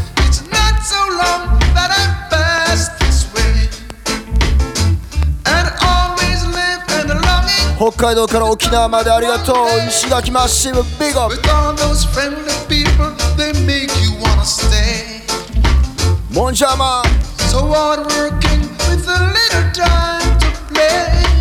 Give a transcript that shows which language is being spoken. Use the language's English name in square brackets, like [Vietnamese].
[English] It's not so long that I passed this way, and always live and longing. [Japanese] 北海道から沖縄までありがとう。石垣マッシブ、ビッグアップ。 [English] With all those friendly people, they make you wanna stay. [Japanese] モンジャーマン。 [English] So hard working with a little time to play.